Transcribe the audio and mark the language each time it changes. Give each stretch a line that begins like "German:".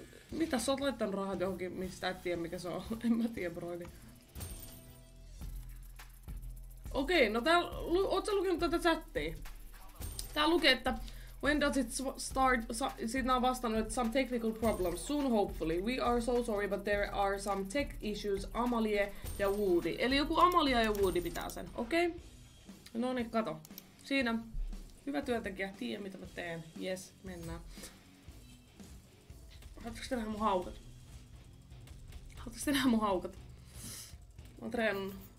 Finnish: Mitä sä oot laittanut rahat johonkin, mistä et tiedä mikä se on? En mä tiedä, broini. Okei, okay, no tää... Oot sä lukenut tätä chattia? Tää lukee, että...
English: When does it start...
Finnish: Siitä on vastannut, että
English: some technical problems. Soon hopefully. We are so sorry, but there are some tech issues.
Finnish: Amalie ja Woody. Eli joku Amalia ja Woody pitää sen. Okei? Okay. No niin, kato. Siinä. Hyvä työntekijä. Tiedän mitä mä teen. Yes, mennään. Haluatko te nähdä mun haukat? Haluatko te nähdä mun haukat? Mä oon treenannut.